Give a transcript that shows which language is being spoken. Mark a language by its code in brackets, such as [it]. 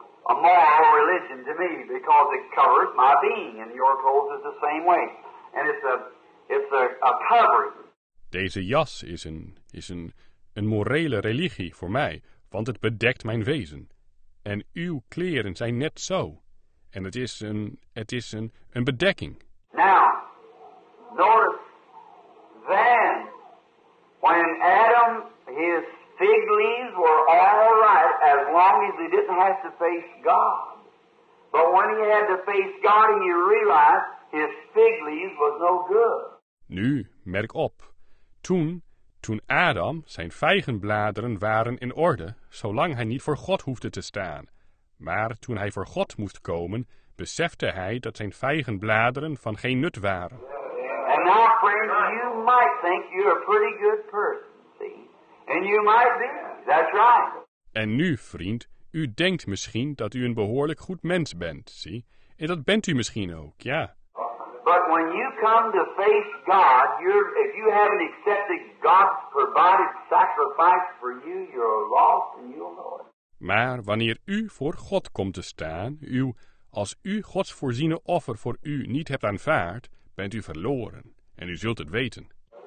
[en] A moral religion to me because it covers my being, and your clothes is the same way, and it's a covering. [nl] Deze jas is een morele religie voor mij, want het bedekt mijn wezen. En uw kleren zijn net zo, en het is een bedekking. [en] Now, notice then when Adam his fig leaves were all right as long as he didn't have to face God. But when he had to face God, he realized his fig leaves was no good. [nl] Nu, merk op. Toen Adam, zijn vijgenbladeren waren in orde, zolang hij niet voor God hoefde te staan. Maar toen hij voor God moest komen, besefte hij dat zijn vijgenbladeren van geen nut waren. [en] And now, friends, you might think you're a pretty good person. And you might be. That's right. [nl] En nu, vriend, u denkt misschien dat u een behoorlijk goed mens bent, zie? En dat bent u misschien ook, ja. [en] But when you come to face God, if you haven't accepted God's provided sacrifice for you, you're lost and you'll know it. [nl] Maar wanneer u voor God komt te staan, als u Gods voorziene offer voor u niet hebt aanvaard, bent u verloren en u zult het weten.